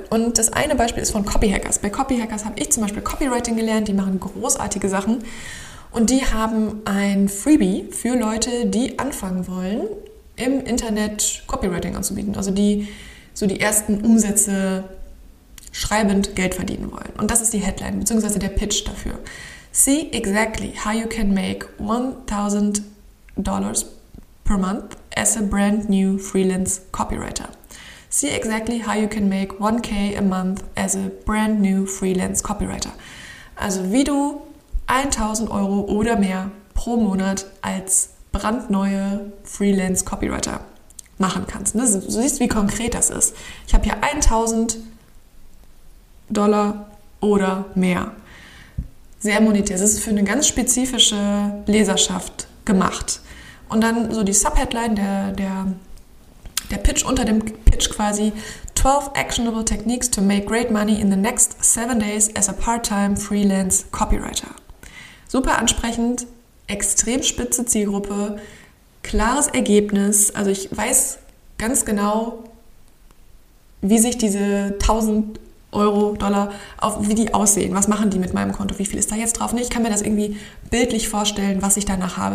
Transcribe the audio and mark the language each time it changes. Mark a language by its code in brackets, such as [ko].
[de] Und das eine Beispiel ist von Copy Hackers. Bei Copy Hackers habe ich zum Beispiel Copywriting gelernt, die machen großartige Sachen. Und die haben ein Freebie für Leute, die anfangen wollen, im Internet Copywriting anzubieten. Also die so die ersten Umsätze schreibend Geld verdienen wollen. Und das ist die Headline, beziehungsweise der Pitch dafür. [en] See exactly how you can make $1,000 per month as a brand new freelance copywriter. See exactly how you can make $1,000 a month as a brand new freelance copywriter. [de] Also wie du 1.000 Euro oder mehr pro Monat als brandneue Freelance-Copywriter machen kannst. Du siehst, wie konkret das ist. Ich habe hier 1.000 Dollar oder mehr. Sehr monetär. Das ist für eine ganz spezifische Leserschaft gemacht. Und dann so die Subheadline, der Pitch unter dem Pitch quasi. [en] 12 actionable techniques to make great money in the next 7 days as a part-time Freelance-Copywriter. [de] Super ansprechend, extrem spitze Zielgruppe, klares Ergebnis. Also ich weiß ganz genau, wie sich diese 1000 Euro, Dollar, auf, wie die aussehen. Was machen die mit meinem Konto? Wie viel ist da jetzt drauf? Ich kann mir das irgendwie bildlich vorstellen, was ich danach habe.